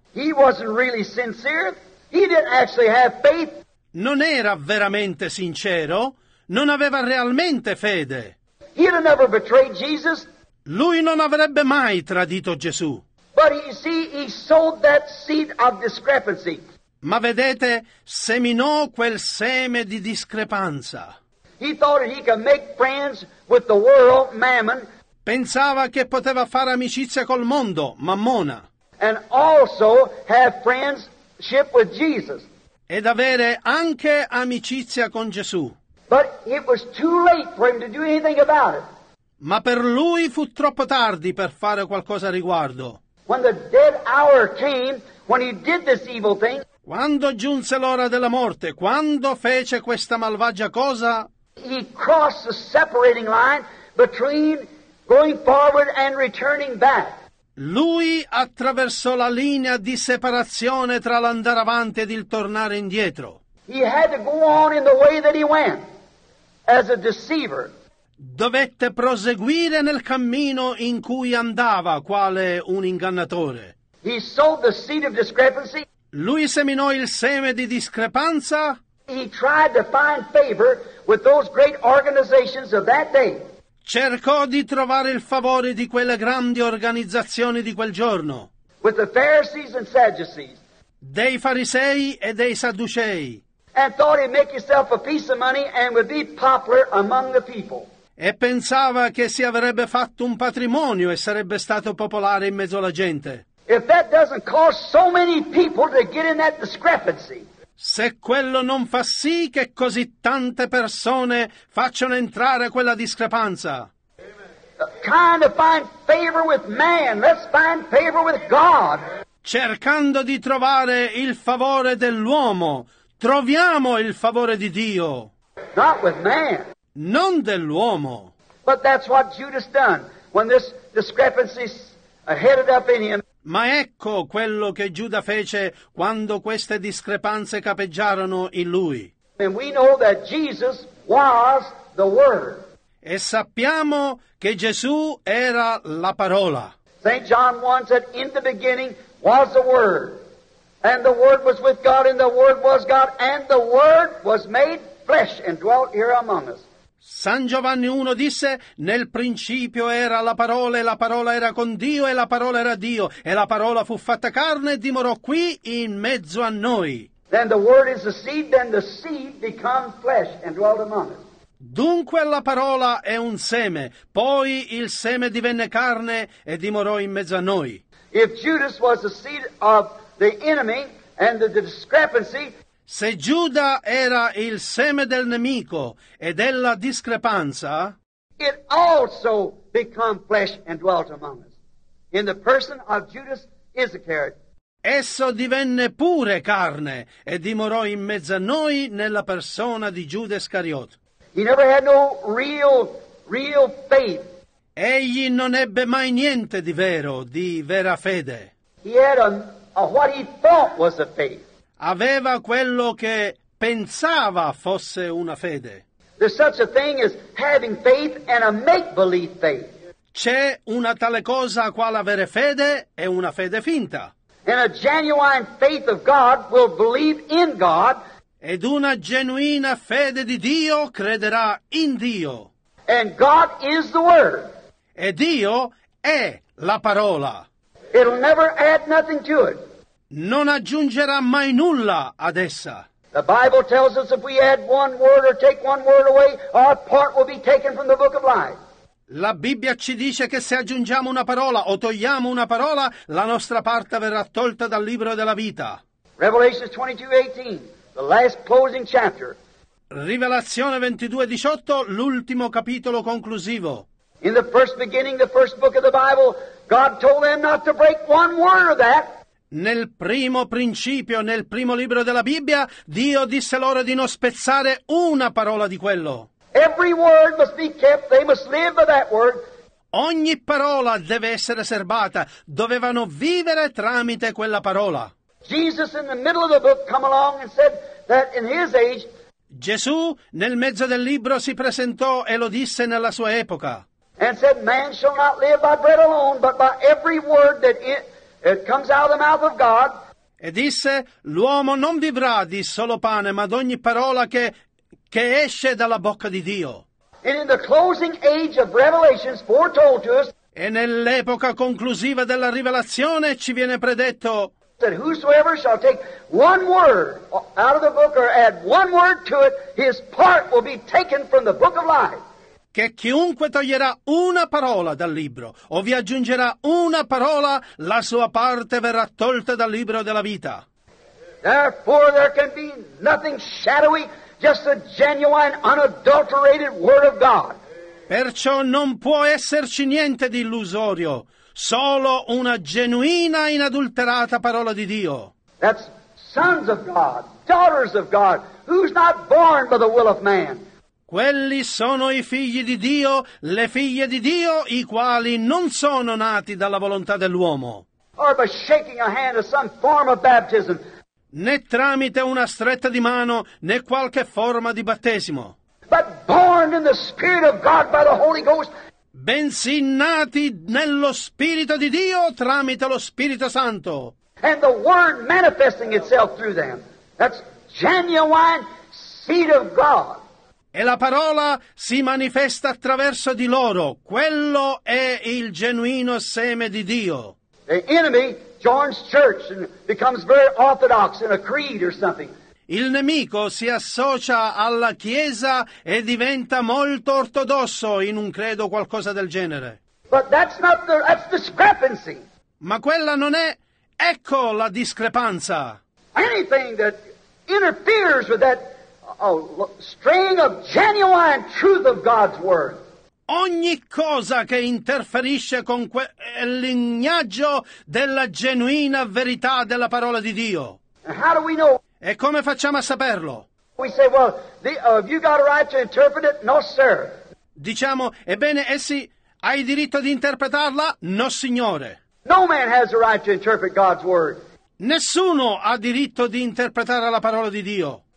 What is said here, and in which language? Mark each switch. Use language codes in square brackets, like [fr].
[en] He wasn't really sincere. He didn't actually have faith. [it] Non era veramente sincero, non aveva realmente fede. [en] He had never betrayed Jesus. [it] Lui non avrebbe mai tradito Gesù. [en] But you see, he sowed that seed of discrepancy. [it] Ma vedete, seminò quel seme di discrepanza. [en] He thought he could make friends with the world, Mammon. [it] Pensava che poteva fare amicizia col mondo, Mammona. [en] And also have friendship with Jesus. [it] Ed avere anche amicizia con Gesù. [en] But it was too late for him to do anything about it. [it] Ma per lui fu troppo tardi per fare qualcosa a riguardo. [en] When the dead hour came, when he did this evil thing, [it] quando giunse l'ora della morte, quando fece questa malvagia cosa, [en] he crossed the separating line between going forward and returning back. [it] Lui attraversò la linea di separazione tra l'andare avanti ed il tornare indietro. [en] He had to go on in the way that he went, as a deceiver. [it] Dovette proseguire nel cammino in cui andava, quale un ingannatore. [en] He sowed the seed of discrepancy. [it] Lui seminò il seme di discrepanza. [en] He tried to find favor with those great organizations of that day. [it] Cercò di trovare il favore di quelle grandi organizzazioni di quel giorno. [en] With the Pharisees and Sadducees. [it] Dei farisei e dei sadducei. [en] And thought he'd make himself a piece of money and would be popular among the people. [it] E pensava che si avrebbe fatto un patrimonio e sarebbe stato popolare in mezzo alla gente. [en] If that doesn't cause so many people to get in that discrepancy. [it] Se quello non fa sì che così tante persone facciano entrare quella discrepanza. [en] Trying to find favor with man, let's find favor with God. [it] Cercando di trovare il favore dell'uomo, troviamo il favore di Dio. [en] Not with man. [it] Non dell'uomo. [en] But that's what Judas done when this discrepancy headed up in him. [it] Ma ecco quello che Giuda fece quando queste discrepanze capeggiarono in lui. [en] And we know that Jesus was the Word. [it] E sappiamo che Gesù era la parola. [en] St. John 1 said, in the beginning was the Word. And the Word was with God, and the Word was God, and the Word was made flesh and dwelt here among us. [it] San Giovanni 1 disse, nel principio era la parola, e la parola era con Dio, e la parola era Dio, e la parola fu fatta carne e dimorò qui in mezzo a noi. [en] Then the word is the seed, then the seed becomes flesh and dwelt among us. [it] Dunque la parola è un seme, poi il seme divenne carne e dimorò in mezzo a noi. [en] If Judas was the seed of the enemy and the discrepancy. [it] Se Giuda era il seme del nemico e della discrepanza, [en] it also became flesh and dwelt among us in the person of Judas Iscariot. [it] Esso divenne pure carne e dimorò in mezzo a noi nella persona di Giuda Iscariot. [en] He never had no real faith. [it] Egli non ebbe mai niente di vero, di vera fede. [en] He had a what he thought was a faith. [it] Aveva quello che pensava fosse una fede. [en] There's such a thing as having faith and a make-believe faith. [it] C'è una tale cosa quale avere fede e una fede finta. [en] And a genuine faith of God will believe in God. [it] Ed una genuina fede di Dio crederà in Dio. [en] And God is the Word. [it] E Dio è la parola. [en] It'll never add nothing to it. [it] Non aggiungerà mai nulla ad essa. [en] The Bible tells us if we add one word or take one word away, our part will be taken from the book of life. [it] La Bibbia ci dice che se aggiungiamo una parola o togliamo una parola, la nostra parte verrà tolta dal libro della vita. [en] Revelation 22:18, the last closing chapter. [it] Rivelazione 22:18, l'ultimo capitolo conclusivo. [en] In the first beginning, the first book of the Bible, God told them not to break one word of that. [it] Nel primo principio, nel primo libro della Bibbia, Dio disse loro di non spezzare una parola di quello. [en] Every word must be kept, they must live by that word. [it] Ogni parola deve essere serbata, dovevano vivere tramite quella parola. [en] Jesus in the middle of the book came along and said that in his age, [it] Gesù nel mezzo del libro si presentò e lo disse nella sua epoca. [en] And said man shall not live by bread alone, but by every word that it comes out of the mouth of God. [it] E disse l'uomo non vivrà di solo pane, ma d'ogni parola che esce dalla bocca di Dio. [en] And in the closing age of Revelations foretold to us, [it] e nell'epoca conclusiva della rivelazione ci viene predetto [en] that whosoever shall take one word out of the book or add one word to it, his part will be taken from the book of life. [it] Che chiunque toglierà una parola dal libro o vi aggiungerà una parola, la sua parte verrà tolta dal libro della vita. [en] Therefore there can be nothing shadowy, just the genuine, unadulterated word of God. [it] Perciò non può esserci niente di illusorio, solo una genuina, inadulterata parola di Dio. [en] That's sons of God, daughters of God, who's not born by the will of man. [it] Quelli sono i figli di Dio, le figlie di Dio, i quali non sono nati dalla volontà dell'uomo. [en] Or by shaking a hand of some form of baptism. [it] Né tramite una stretta di mano, né qualche forma di battesimo. [en] But born in the Spirit of God by the Holy Ghost. [it] Bensì nati nello Spirito di Dio tramite lo Spirito Santo. [en] And the Word manifesting itself through them. That's genuine seed of God. [it] E la parola si manifesta attraverso di loro. Quello è il genuino seme di Dio. [en] The enemy joins church and becomes very orthodox in a creed or something. [it] Il nemico si associa alla chiesa e diventa molto ortodosso in un credo o qualcosa del genere. [en] But that's discrepancy. [it] Ma quella non è, ecco la discrepanza. [en] Anything that interferes with that string of genuine truth of God's word. [it] Ogni cosa che interferisce con quel lignaggio della genuina verità della parola di Dio. [en] How do we know? [it] E come facciamo a saperlo? [en] We say, well, have you got a right to interpret it? No, sir. [it] Diciamo, ebbene, essi, hai diritto di interpretarla? No, signore. [en] No man has a right to interpret God's word. [it] Nessuno ha diritto di interpretare la parola di Dio.